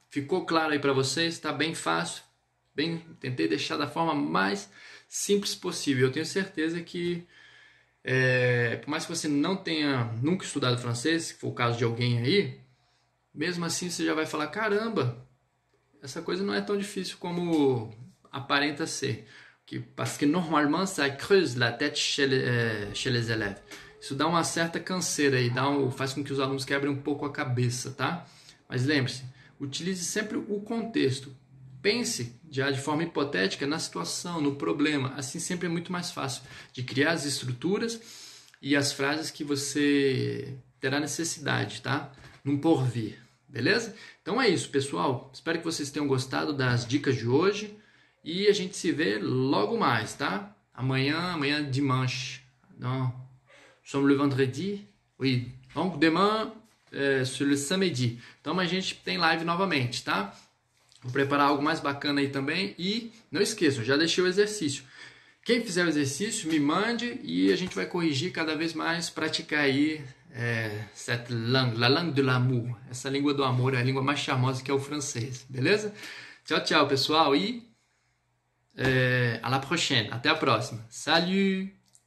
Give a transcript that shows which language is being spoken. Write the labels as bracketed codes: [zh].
[pt] Ficou claro aí para vocês? Tá bem fácil, bem. Tentei deixar da forma mais simples possível. Eu tenho certeza que, por mais que você não tenha nunca estudado francês, se for o caso de alguém aí, mesmo assim você já vai falar: caramba, essa coisa não é tão difícil como aparenta ser. [fr] Porque normalement ça creuse la tête chez les élèves. [pt] Isso dá uma certa canseira aí, faz com que os alunos quebrem um pouco a cabeça, tá? Mas lembre-se, utilize sempre o contexto. Pense já de forma hipotética na situação, no problema. Assim sempre é muito mais fácil de criar as estruturas e as frases que você terá necessidade, tá? Num porvir. Beleza? Então é isso, pessoal. Espero que vocês tenham gostado das dicas de hoje. E a gente se vê logo mais, tá? Amanhã, [fr] dimanche. Non. Sommes le vendredi? Oui. Donc, demain, c'est le samedi. [pt] Então a gente tem live novamente, tá? Vou preparar algo mais bacana aí também. E não esqueçam, já deixei o exercício. Quem fizer o exercício, me mande e a gente vai corrigir cada vez mais, praticar aí. [fr] Cette langue, la langue de l'amour. [pt] Essa língua do amor é a língua mais charmosa que é o francês, beleza? Tchau, tchau, pessoal, e [fr] à la prochaine. [pt] Até a próxima. [fr] Salut!